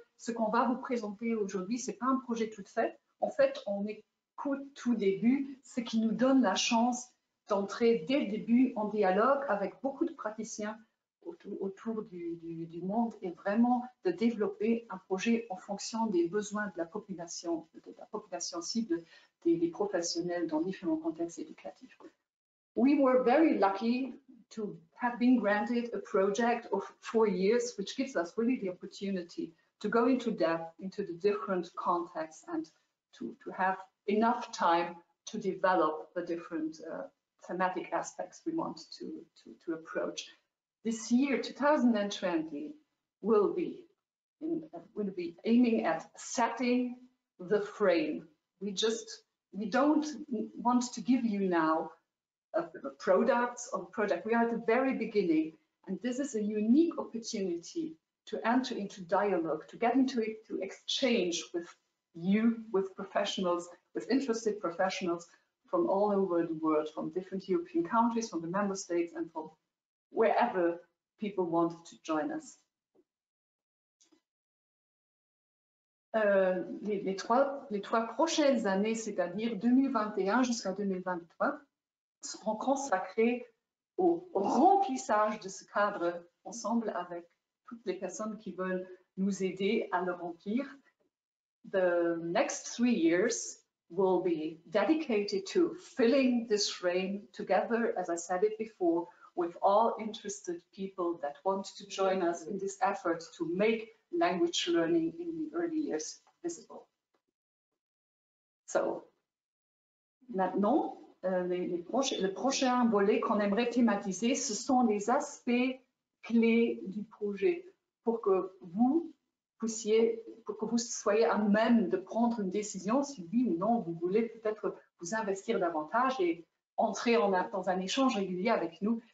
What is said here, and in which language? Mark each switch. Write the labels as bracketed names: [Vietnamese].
[French] Ce qu'on va vous présenter aujourd'hui, ce n'est pas un projet tout fait. En fait, on est qu'au tout début, ce qui nous donne la chance d'entrer dès le début en dialogue avec beaucoup de praticiens autour du monde et vraiment de développer un projet en fonction des besoins de la population cible, des professionnels dans différents contextes éducatifs. [English] We were very lucky to have been granted a project of 4 years, which gives us really the opportunity to go into depth into the different contexts and to have enough time to develop the different thematic aspects we want to approach. This year, 2020, will be aiming at setting the frame. We don't want to give you now a product or project. We are at the very beginning, and this is a unique opportunity to enter into dialogue, to get into it, to exchange with you, with professionals, with interested professionals from all over the world, from different European countries, from the member states, and from wherever people want to join us. [French] Les trois prochaines années, c'est-à-dire 2021 jusqu'à 2023, seront consacrées au remplissage de ce cadre ensemble avec toutes les personnes qui veulent nous aider à le remplir. [English] The next 3 years will be dedicated to filling this frame together, as I said it before, with all interested people that want to join us in this effort to make language learning in the early years visible. [French] So, maintenant, le prochain volet qu'on aimerait thématiser, ce sont les aspects clés du projet pour que vous puissiez, pour que vous soyez à même de prendre une décision si oui ou non vous voulez peut-être vous investir davantage et entrer dans un échange régulier avec nous.